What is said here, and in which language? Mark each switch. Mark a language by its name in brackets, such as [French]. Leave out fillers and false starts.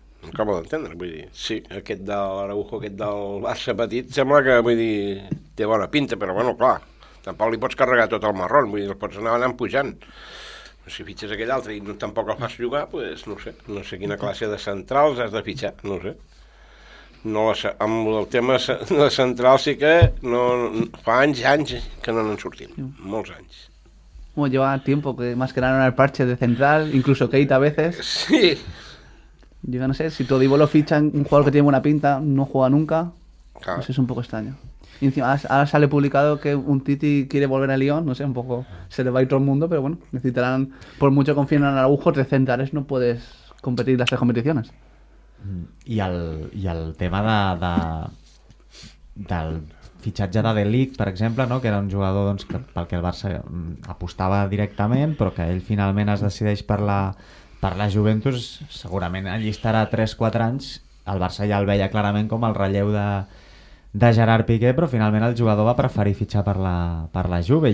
[Catalan] Acabo d'entendre, vull dir, sí, aquest de l'Araujo, aquest del Barça petit, sembla que, vull dir, té bona pinta, però bueno, clar, tampoc li pots carregar tot el marrón, vull dir, el pots anar pujant. Si fitxes aquell altre i tampoc el fas jugar, doncs pues, no sé quina classe de centrals has de fitxar, no sé. No, amb el tema de centrals sí que fa anys que no n'en sortim, molts anys. [Spanish] Bueno, lleva tiempo que más que nada en el parche de central, incluso Keita a veces. Sí. Yo no sé, si Todibó lo fichan, un jugador que tiene buena pinta, no juega nunca, claro. Pues es un poco extraño. Y encima, ahora sale publicado que Umtiti quiere volver a Lyon, no sé, un poco se le va a ir todo el mundo, pero bueno, necesitarán, por mucho confíen en Araujo, tres centrales no puedes competir en las tres competiciones. Y el tema del [Catalan] fitxatge de De Ligt, per exemple, no? Que era un jugador doncs, que, pel que el Barça apostava directament, però que ell finalment es decideix per la Juventus, segurament allí estarà 3-4 anys. El Barça ja el veia clarament com el relleu de Gerard Piqué, però finalment el jugador va preferir fitxar per la Juve.